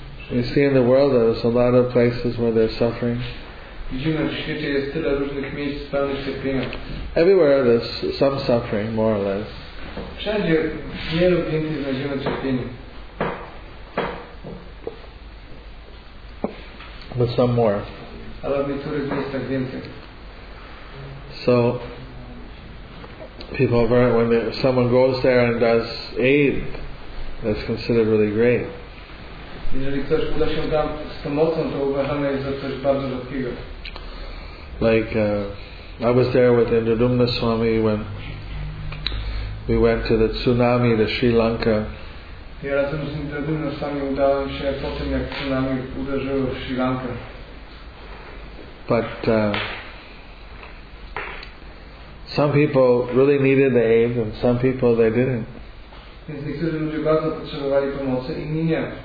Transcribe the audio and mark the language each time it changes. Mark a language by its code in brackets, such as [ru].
[en] We see in the world that there's a lot of places where they're suffering. [pl] Widzimy, że w świecie jest tyle różnych miejsc pełnych cierpienia. [en] Everywhere there's some suffering, more or less. [pl] Wszędzie w wielu miejscach znajdziemy cierpienie. [en] But some more. [pl] Ale w niektórych miejscach więcej. [en] So people have heard when someone goes there and does aid, that's considered really great. [pl] Jeżeli ktoś uda się tam z pomocą, to uważane jest za coś bardzo rzadkiego. [en] Like I was there with Indradumna Swami when we went to the tsunami to Sri Lanka. [pl] Ja razem z Indradumna Swami udałem się po tym, jak tsunami uderzyło w Sri Lankę. [en] But some people really needed the aid and some people they didn't. [pl] Więc niektórzy ludzie bardzo potrzebowali pomocy, inni nie.